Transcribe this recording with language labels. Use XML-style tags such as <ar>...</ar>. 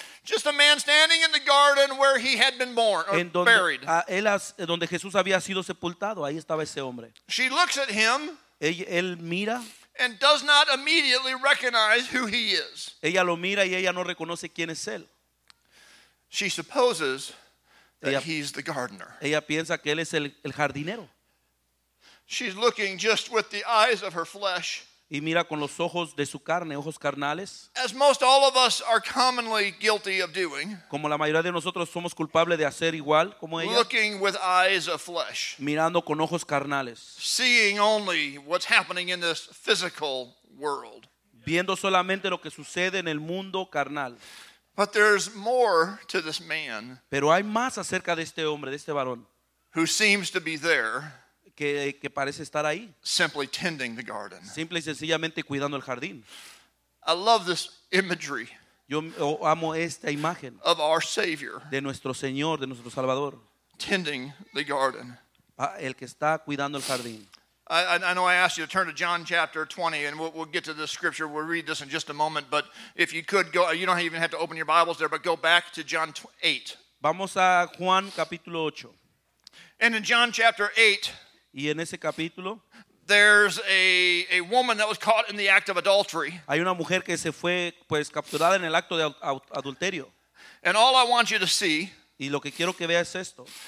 <en>Just a man standing in the garden where he had been born or</en> <es>en donde,</es> <en>buried.</en> <es>Donde Jesús había sido sepultado, ahí estaba ese hombre.</es> <en>She looks at him.</en> <es>Él mira.</es> <en>And does not immediately recognize who he is.</en> <es>Ella lo mira y ella no reconoce quién es él.</es> <en>She supposes that he's the gardener.</en> <es>Ella piensa que él es el jardinero.</es> <en>She's looking just with the eyes of her flesh.</en> <es>Y mira con los ojos de su carne, ojos carnales.</es> <en>As most all of us are commonly guilty of doing.</en> <es>Como la mayoría de nosotros somos culpables de hacer igual como ella.</es> <en>Looking with eyes of flesh.</en> <es>Mirando con ojos carnales.</es> <en>Seeing only what's happening in this physical world.</en> <es>Viendo solamente lo que sucede en el mundo carnal.</es> <en>But there's more to this man.</en> <es>Pero hay más acerca de este hombre, de este varón.</es> <en>Who seems to be there.</en> <es>Que parece estar ahí.</es> <en>Simply tending the garden.</en> <es>Simple y sencillamente cuidando el jardín.</es> <en>I love this imagery.</en> <es>Yo amo esta imagen.</es> <en>Of our Savior.</en> <es>De nuestro Señor, de nuestro Salvador.</es> <en>Tending the garden.</en> <es>El que está cuidando el jardín.</es> <en>I know I asked you to turn to John chapter 20, and we'll get to this scripture. We'll read this in just a moment. But if you could go, you don't even have to open your Bibles there, but go back to John 8.</en> <es>Vamos a Juan capítulo 8.</es> <en>And in John chapter 8.</en> <es>Y en ese capítulo,</es> <en>there's a woman that was caught in the act of adultery.</en> <es>Hay una mujer que se fue pues capturada en el acto de adulterio.</es> <en>And all I want you to see,</en> <es>y lo que quiero que veas es esto,</es>